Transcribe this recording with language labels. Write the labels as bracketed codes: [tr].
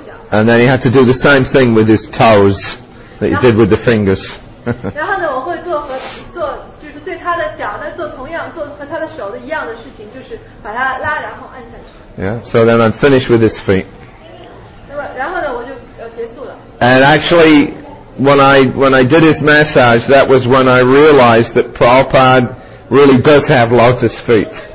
[en] And then he had to do the same thing with his toes that he did with the fingers. [zh] 然后呢，我会做和做就是对他的脚呢做同样做和他的手的一样的事情，就是把他拉然后按下去。 [en] Yeah. So then I'm finished with his feet. [zh] 然后呢，我就结束了。 [en] And actually, when I did his massage, that was when I realized that Prabhupada really does have lotus feet.